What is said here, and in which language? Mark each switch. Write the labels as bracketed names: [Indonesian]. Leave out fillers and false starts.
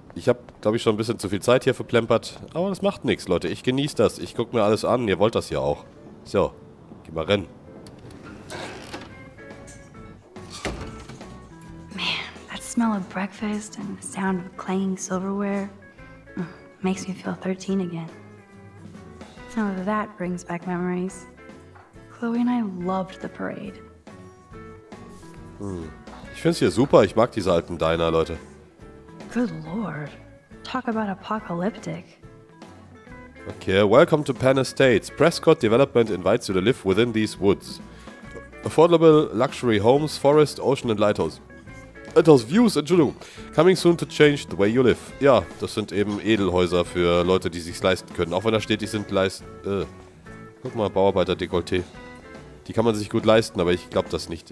[German] Ich habe, glaube ich, schon ein bisschen zu viel Zeit hier verplempert. Aber das macht nichts, Leute. Ich genieße das. Ich gucke mir alles an. Ihr wollt das ja auch. So, geh mal rennen. [English] Man, that smell of breakfast and the sound of clanging silverware makes me feel 13 again. Some of that brings back memories. Chloe and I loved the parade. [German] Ich find's hier super. Ich mag diese alten Diner, Leute. [English] Good lord. Talk about apocalyptic. Okay, welcome to Penn Estates. Prescott Development invites you to live within these woods. Affordable luxury homes, forest, ocean and lighthouse. Those views, [German] Entschuldigung. [English] Coming soon to change the way you live. [German] Ja, das sind eben Edelhäuser für Leute, die sich's leisten können. Auch wenn da steht, die sind Guck mal, Bauarbeiter-Dekolleté. Die kann man sich gut leisten, aber ich glaube das nicht.